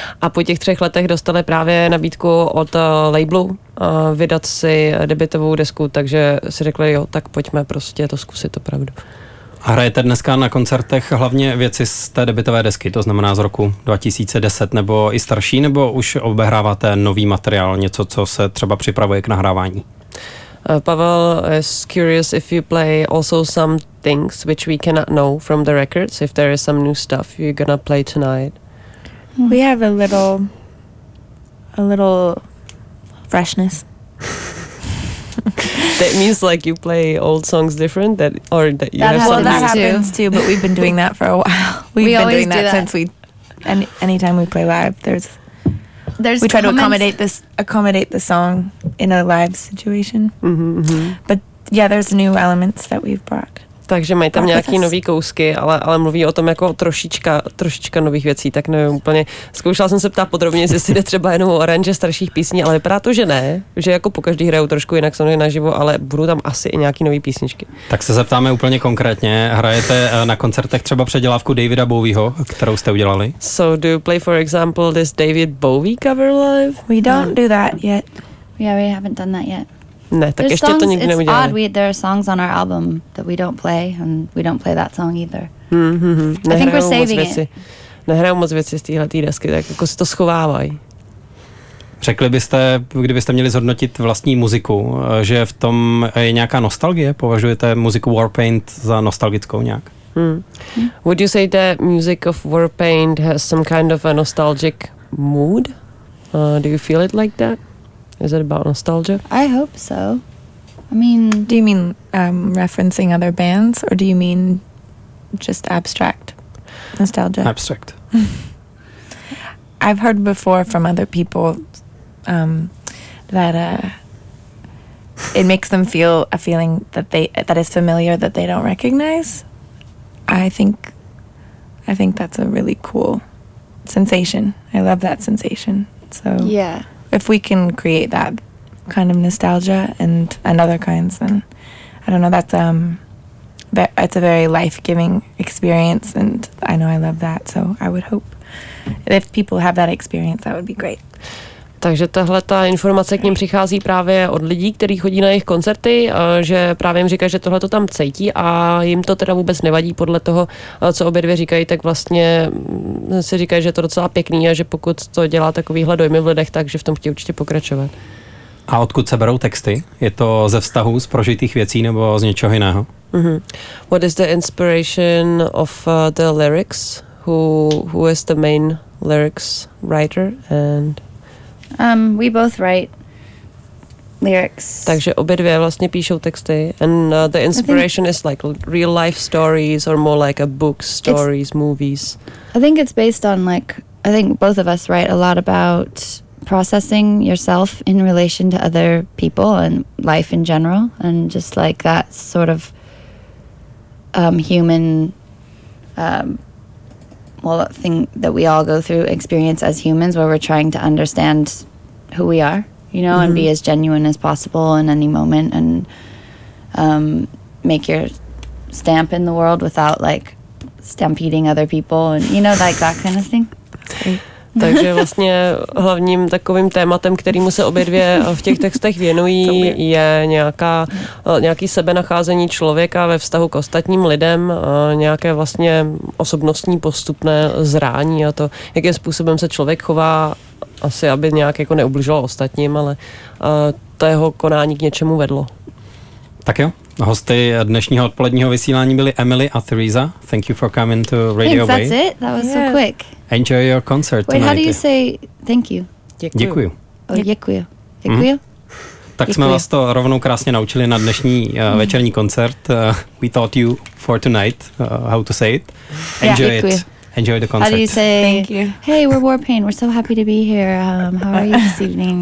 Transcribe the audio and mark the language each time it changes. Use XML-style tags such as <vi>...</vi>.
<cs>A po těch 3 letech dostali právě nabídku od labelu vydat si debutovou desku, takže si řekli, jo, tak pojďme prostě to zkusit opravdu. A hrajete dneska na koncertech hlavně věci z té debutové desky, to znamená z roku 2010 nebo i starší, nebo už obehráváte nový materiál, něco, co se třeba připravuje k nahrávání?</cs> <en>Pavel is curious if you play also some things which we cannot know from the records, if there is some new stuff you're gonna play tonight. We have a little freshness. That means like you play old songs different, that or that you that have something. Well, that happens too, but we've been doing that for a while. We've been doing that since we. Anytime we play live, there's we try comments. To accommodate the song in a live situation. Mm-hmm, mm-hmm. But yeah, there's new elements that we've brought.</en> <cs>Takže mají tam nějaký nový kousky, ale mluví o tom jako trošička nových věcí, tak nevím úplně. Zkoušela jsem se ptát podrobně, jestli jde třeba jenom o aranže starších písní, ale vypadá to, že ne, že jako po každý hrajou trošku jinak sony naživo, ale budou tam asi i nějaký nový písničky. Tak se zeptáme úplně konkrétně, hrajete na koncertech třeba předělávku Davida Bowieho, kterou jste udělali?</cs> <en>So do you play, for example, this David Bowie cover live? We don't do that yet. Yeah, we haven't done that yet.</en> <cs>Ne, tak</cs> <en>there's</en> <cs>ještě</cs> <en>songs,</en> <cs>to nikdy neudělali.</cs> <en>It's odd, there are songs on our album that we don't play, and we don't play that song either. Mm-hmm. I think we're saving it.</en> <cs>Nehrajou moc věci z téhletý desky, tak jako si to schovávají. Řekli byste, kdybyste měli zhodnotit vlastní muziku, že v tom je nějaká nostalgie? Považujete muziku Warpaint za nostalgickou nějak? Hmm.</cs> <en>Would you say the music of Warpaint has some kind of a nostalgic mood? Do you feel it like that? Is it about nostalgia? I hope so. I mean, do you mean referencing other bands, or do you mean just abstract nostalgia? Abstract. I've heard before from other people that it makes them feel a feeling that is familiar that they don't recognize. I think that's a really cool sensation. I love that sensation. So yeah. If we can create that kind of nostalgia and other kinds, then I don't know, that's it's a very life-giving experience, and I know I love that, so I would hope if people have that experience, that would be great.</en> <cs>Takže tahle ta informace k ním přichází právě od lidí, kteří chodí na jejich koncerty, že právě jim říkají, že tohle to tam cítí a jim to teda vůbec nevadí podle toho, co obě dvě říkají, tak vlastně si říkají, že je to docela pěkný a že pokud to dělá takovýhle dojmy v lidech, takže v tom chtějí určitě pokračovat. A odkud se berou texty? Je to ze vztahu, z prožitých věcí nebo z něčeho jiného?</cs> <en>Mm-hmm. What is the inspiration of the lyrics? Who is the main lyrics writer and... We both write lyrics.</en> <cs>Takže obě dvě vlastně píšou texty.</cs> <en>And the inspiration is like real life stories or more like a book, stories, movies. I think it's based on like, I think both of us write a lot about processing yourself in relation to other people and life in general. And just like that sort of human, well, that thing that we all go through, experience as humans, where we're trying to understand who we are, you know, mm-hmm. and be as genuine as possible in any moment and make your stamp in the world without like stampeding other people and, you know, like that kind of thing.</en> <cs>Takže vlastně hlavním takovým tématem, kterýmu se obě dvě v těch textech věnují, je nějaké sebenacházení člověka ve vztahu k ostatním lidem, nějaké vlastně osobnostní postupné zrání a to, jakým způsobem se člověk chová, asi aby nějak jako neubližoval ostatním, ale to jeho konání k něčemu vedlo. Tak jo, hosty dnešního odpoledního vysílání byly Emily a Theresa.</cs> <en>Thank you for coming to Radio Bay. That's it, that was so quick. Enjoy your concert tonight. Wait, how do you say thank you?</en> <cs>Děkuju. Děkuju. Děkuju. Tak jsme vás to rovnou krásně naučili na dnešní večerní koncert.</cs> <en>We taught you for tonight how to say it. Enjoy it. Enjoy the concert. How do you say, thank you. Hey, we're Warpaint. We're so happy to be here. How are you this evening?</en>